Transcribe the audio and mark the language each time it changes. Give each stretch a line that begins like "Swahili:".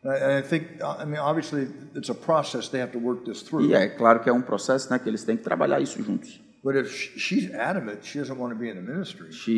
English: I mean, obviously it's a process they have to work this through.
Portuguese: E é claro que é um processo, né, que eles têm que trabalhar isso juntos.
English: But if she's adamant, she doesn't want to be in the ministry.